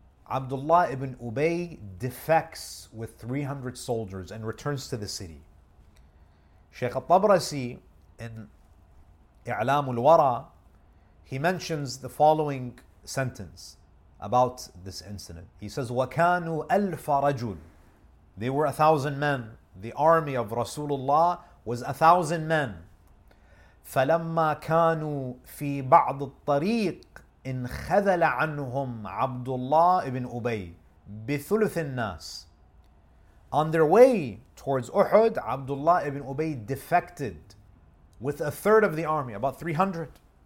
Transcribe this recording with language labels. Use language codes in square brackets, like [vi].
[en] Abdullah ibn Ubay defects with 300 soldiers and returns to the city. Sheikh al-Tabrasi in I'lam al-Wara, he mentions the following sentence about this incident. He says, [ar] وَكَانُوا أَلْفَ رَجُلٌ. [en] They were 1,000 men. The army of Rasulullah was 1,000 men. [ar] فَلَمَّا كَانُوا فِي بَعْضِ الطَّرِيقِ إِنْ خَذَلَ عَنْهُمْ عَبْدُ اللَّهِ إِبْنْ أُبَيْ بِثُلُثِ النَّاسِ. [en] On their way towards Uhud, Abdullah ibn Ubay defected with 1/3 of the army, about 300.